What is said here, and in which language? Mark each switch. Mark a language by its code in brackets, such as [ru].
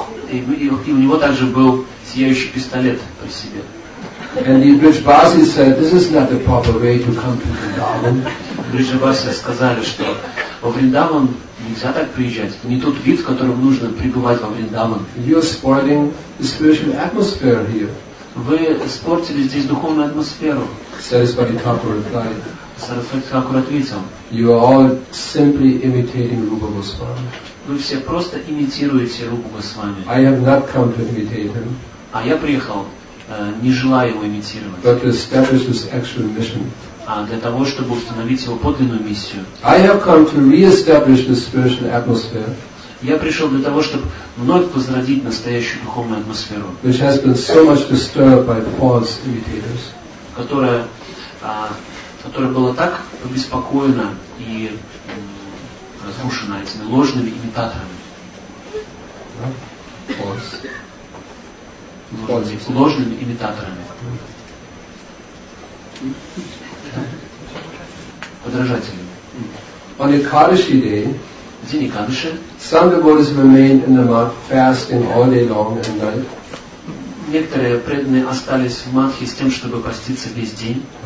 [ru] И у него также был сияющий пистолет при себе. [en] And the Brijbasis said, this is not the proper way to come to Vrindavan. [ru] Брижбаси сказали, что во Вриндаван нельзя так приезжать. Не тот вид, в котором нужно пребывать во Вриндаван. [en] You're spoiling the spiritual atmosphere here. [ru] Вы испортили здесь духовную атмосферу. [en] Sarasvati Thakur replied. [ru] Sarasvati Thakur ответил. [en] You are all simply imitating Rupa Goswami. [ru] Вы все просто имитируете Рупу Госвами. [en] I have not come to imitate him. [ru] А я приехал, не желая его имитировать. [en] But to establish his actual mission. [ru] А для того, чтобы установить его подлинную миссию. [en] I have come to re-establish the spiritual atmosphere. [ru] Я пришел для того, чтобы вновь возродить настоящую духовную атмосферу. [en] Which has been so much disturbed by false imitators. [ru] Которая была так обеспокоена и разрушена этими ложными имитаторами. Ложными имитаторами. Подражателями. [en] On Ekadashi day, [ru] день Экадыши, [en] some devotees remain in the mat fasting all day long and night. [ru] Некоторые преданные остались в матхе с тем, чтобы поститься весь день.